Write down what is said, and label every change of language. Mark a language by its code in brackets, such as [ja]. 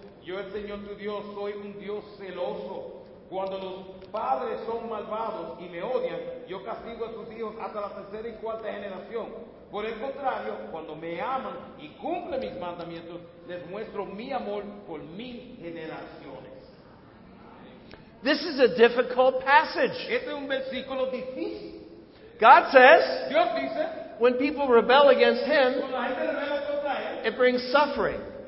[es] Yo, el Señor tu Dios, soy un Dios celoso. Cuando los padres son malvados y me odian, yo castigo a sus hijos hasta la tercera y cuarta generación. Por el contrario, cuando me aman y cumplen mis mandamientos, les muestro mi amor por mil generaciones. [en] This is a difficult passage. [es] Este es un versículo difícil. [en] God says, [es] Dios dice, [en] when people rebel against Him, it brings suffering.